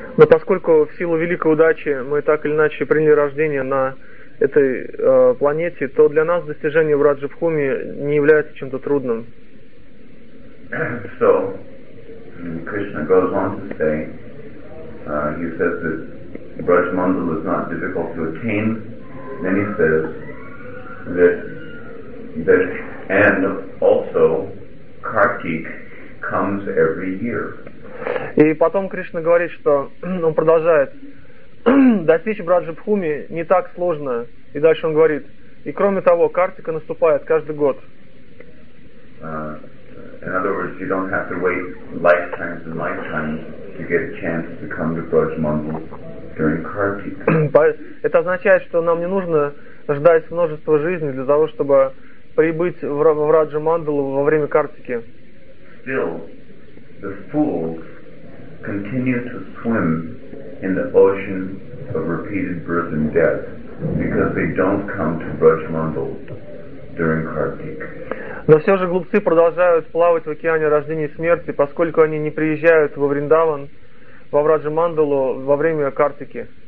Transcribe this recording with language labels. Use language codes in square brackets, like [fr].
[ru] Но поскольку в силу великой удачи мы так или иначе приняли рождение на этой планете, то для нас достижение в Раджа-Бхуми не является чем-то трудным. [en] So, Krishna goes on to say, he says that Braj Mandal is not difficult to attain. Then he says that and also Kartik comes every year. [ru] И потом Кришна говорит, что он продолжает достичь Браджабхуми не так сложно. И дальше он говорит, и кроме того, Картика наступает каждый год. [en] In other words, you don't have to wait lifetimes and lifetimes to get a chance to come to Braj Mandal during Kartik. [ru] Это означает, что нам не нужно ждать множество жизней для того, чтобы прибыть в Враджа Мандалу во время Картики. [en] Still, the fools continue to swim in the ocean of repeated birth and death because they don't come to Braj Mandal during Kartik. [ru] Но все же глупцы продолжают плавать в океане рождения и смерти, поскольку они не приезжают во Вриндаван, во Враджа Мандалу во время Картики.